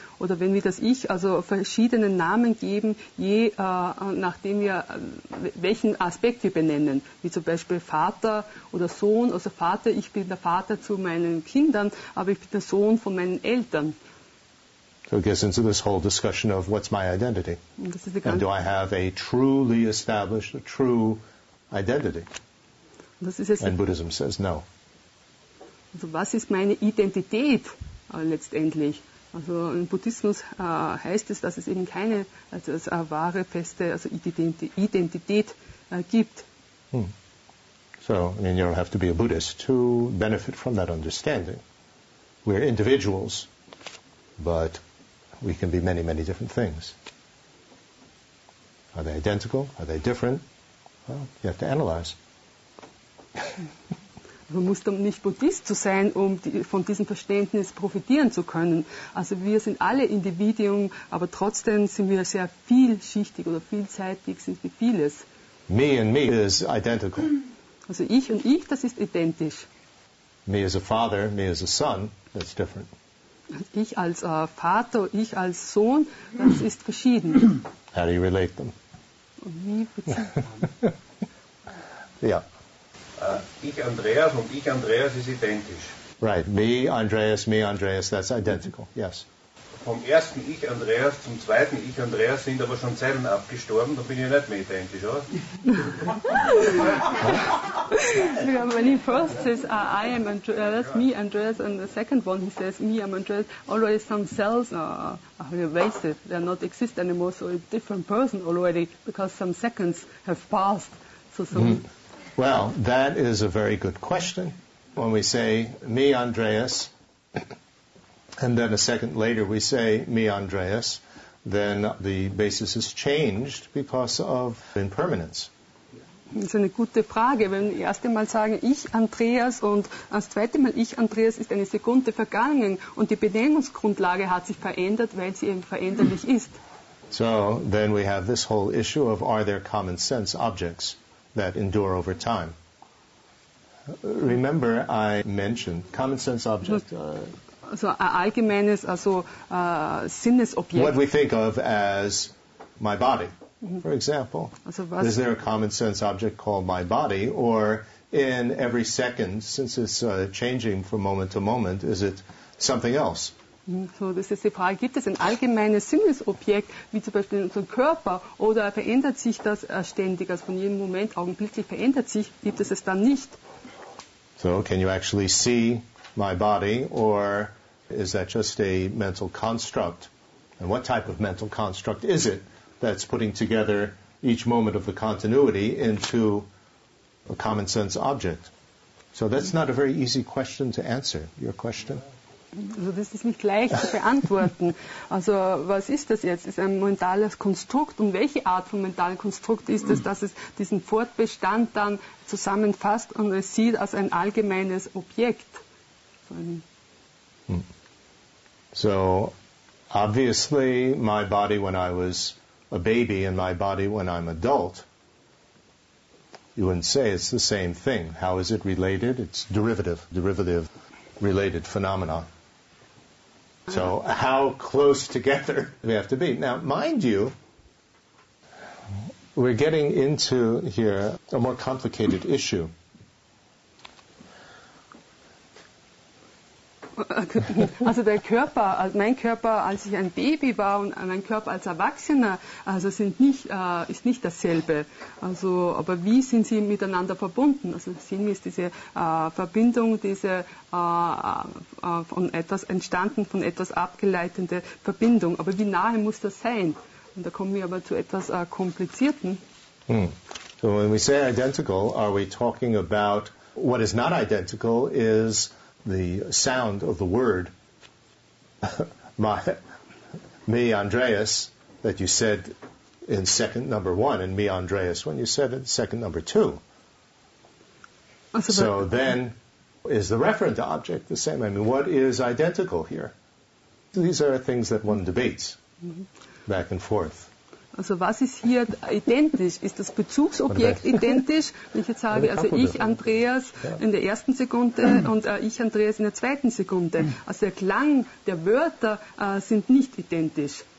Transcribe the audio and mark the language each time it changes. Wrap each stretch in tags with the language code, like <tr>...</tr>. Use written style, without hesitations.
<de>Oder wenn wir das Ich also verschiedenen Namen geben, je nachdem wir, welchen Aspekt wir benennen, wie zum Beispiel Vater oder Sohn, also Vater, ich bin der Vater zu meinen Kindern, aber ich bin der Sohn von meinen Eltern.</de> <en>So it gets into this whole discussion of what's my identity? And do I have a truly established, a true identity? And Buddhism says no.</en> <de>Also was ist meine Identität letztendlich? Also im Buddhismus heißt es, dass es eben keine also als wahre, feste also Identität gibt. Hmm.</de> <en>So, I mean, you don't have to be a Buddhist to benefit from that understanding. We're individuals, but we can be many, many different things. Are they identical? Are they different? Well, you have to analyze.</en> <de>Man muss dann nicht Buddhist zu sein, um von diesem Verständnis profitieren zu können. Also wir sind alle Individuen, aber trotzdem sind wir sehr vielschichtig oder vielseitig, sind wir vieles.</de> <en>Me and me is identical.</en> <de>Also ich und ich, das ist identisch.</de> <en>Me as a father, me as a son, that's different.</en> <de>Ich als Vater, ich als Sohn, das ist verschieden.</de> <en>How do you relate them?</en> <de>Wie bezieht Ja. Ich Andreas und ich Andreas ist identisch.</de> <en>Right, me Andreas, that's identical, yes.</en> <de>Vom ersten Ich Andreas zum zweiten Ich Andreas sind aber schon Zellen abgestorben, da bin ich nicht mehr identisch, oder?</de> <en>When he first says, I am Andreas, that's me, Andreas, and the second one, he says, me, I'm Andreas, already some cells are wasted, they are not exist anymore, so a different person already, because some seconds have passed. So. Well, that is a very good question. When we say, me, Andreas, and then a second later we say, me, Andreas, then the basis has changed because of impermanence.</en> <de>Das ist eine gute Frage. Wenn wir erst einmal sagen, ich Andreas und das zweite Mal ich Andreas, ist eine Sekunde vergangen und die Benennungsgrundlage hat sich verändert, weil sie eben veränderlich ist.</de> <en>So, then we have this whole issue of are there common sense objects that endure over time? Remember, I mentioned common sense objects.</en> <de>Also ein allgemeines, also Sinnesobjekt.</de> <en>What we think of as my body. For example,</en> <de>also was,</de> <en>is there a common sense object called my body, or in every second, since it's changing from moment to moment, is it something else?</en> <de>So das ist die Frage, gibt es ein allgemeines Sinnesobjekt, wie zum Beispiel unser Körper, oder verändert sich das ständig, also von jedem Moment augenblicklich verändert sich, gibt es es dann nicht?</de> <en>So can you actually see my body, or is that just a mental construct? And what type of mental construct is it that's putting together each moment of the continuity into a common sense object? So that's not a very easy question to answer, your question.</en> <de>Also das ist nicht leicht zu beantworten. Also was ist das jetzt? Ist ein mentales Konstrukt? Und welche Art von mentalen Konstrukt ist es, dass es diesen Fortbestand dann zusammenfasst und es sieht als ein allgemeines Objekt?</de> <en>So obviously my body when I was a baby and my body when I'm adult, you wouldn't say it's the same thing. How is it related? It's derivative related phenomena. So how close together do we have to be? Now, mind you, we're getting into here a more complicated issue.</en> <de>Also der Körper, mein Körper, als ich ein Baby war und mein Körper als Erwachsener, also sind nicht, ist nicht dasselbe. Also, aber wie sind sie miteinander verbunden? Also sehen wir, ist diese Verbindung, diese von etwas entstanden, von etwas abgeleitete Verbindung. Aber wie nahe muss das sein? Und da kommen wir aber zu etwas Komplizierten.</de> <en>So when we say identical, are we talking about what is not identical is the sound of the word me Andreas that you said in second number one and me Andreas when you said it second number two. So then is the referent object the same? I mean, what is identical here? These are things that one debates back and forth.</en> <de>Also was ist hier identisch? Ist das Bezugsobjekt identisch? Wenn ich jetzt sage, also ich, Andreas, in der ersten Sekunde und ich, Andreas, in der zweiten Sekunde. Also der Klang der Wörter sind nicht identisch.</de>